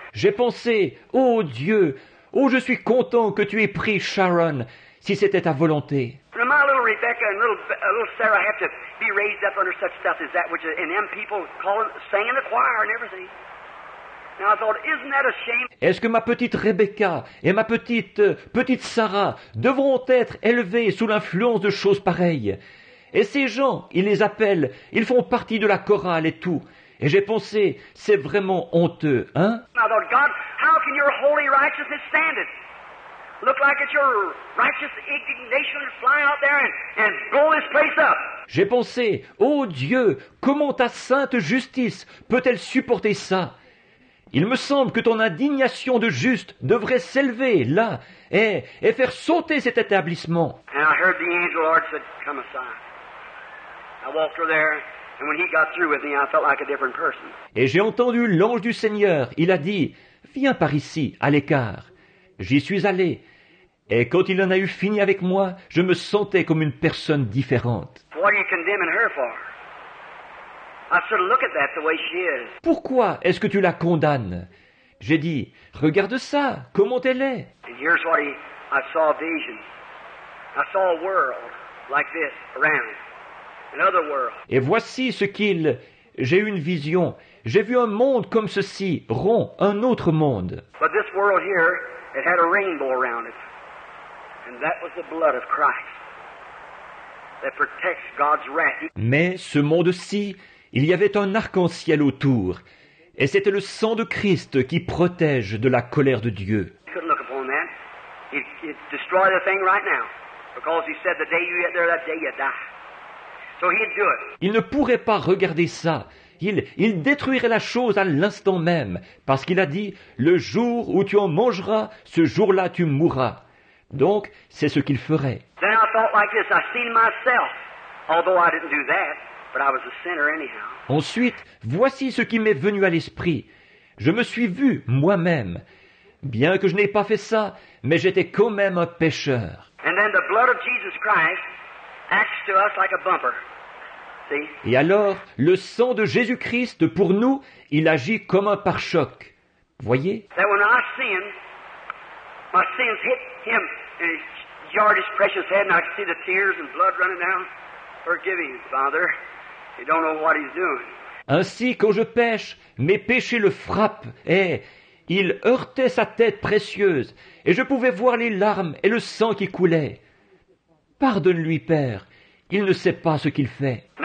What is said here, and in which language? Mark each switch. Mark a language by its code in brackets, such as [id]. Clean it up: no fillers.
[fr] J'ai pensé, oh Dieu, oh je suis content que tu aies pris Sharon, si c'était ta volonté. [en] My little Rebecca and little Sarah have to be raised up under such stuff as that, which is, and them people calling, singing the choir and everything. Now I thought, isn't that a shame? [fr] Est-ce que ma petite Rebecca et ma petite Sarah devront être élevées sous l'influence de choses pareilles? Et ces gens, ils les appellent, ils font partie de la chorale et tout. Et j'ai pensé, c'est vraiment honteux, hein? [en] Now, Lord God, how can your holy righteousness stand it? Look like it's your righteous indignation to fly out there and blow this place up. [fr] J'ai pensé, oh Dieu, comment ta sainte justice peut-elle supporter ça? Il me semble que ton indignation de juste devrait s'élever là et faire sauter cet établissement. [en] And I heard the angel Lord said, come aside. I walked through there. And when he got through with me, I felt like a different person. [fr] Et j'ai entendu l'ange du Seigneur. Il a dit, viens par ici, à l'écart. J'y suis allé. Et quand il en a eu fini avec moi, je me sentais comme une personne différente. [en] What are you condemning her for? I said, look at that, the way she is. [fr] Pourquoi est-ce que tu la condamnes? J'ai dit, regarde ça, comment elle est. [en] And here's what I saw a vision. I saw a world like this around. Another world. [fr] Et voici ce qu'il... J'ai eu une vision. J'ai vu un monde comme ceci, rond, un autre monde. [en] But this world here, it had a rainbow around it. And that was the blood of Christ that protects God's wrath. [fr] Mais ce monde-ci, il y avait un arc-en-ciel autour. Et c'était le sang de Christ qui protège de la colère de Dieu. [en] He couldn't look upon that. He'd destroy the thing right now. Because he said, the day you get there, that day you die. So he'd do it. [fr] Il ne pourrait pas regarder ça. Il détruirait la chose à l'instant même, parce qu'il a dit, le jour où tu en mangeras, ce jour-là tu mourras. Donc, c'est ce qu'il ferait. [en] Then I thought like this, I seen myself, although I didn't do that, but I was a sinner anyhow. [fr] Ensuite, voici ce qui m'est venu à l'esprit. Je me suis vu moi-même, bien que je n'ai pas fait ça, mais j'étais quand même un pécheur. [en] And then the blood of Jesus Christ acts to us like a bumper. See? [fr] Et alors, le sang de Jésus-Christ, pour nous, il agit comme un pare-choc. Voyez? [en] That when I sinned, my sins hit him and he jarred his precious head and I could see the tears and blood running down. Forgive him, Father. He don't know what he's doing. [fr] Ainsi, quand je pêche, mes péchés le frappent et il heurtait sa tête précieuse et je pouvais voir les larmes et le sang qui coulaient. Pardonne-lui, Père. Il ne sait pas ce qu'il fait.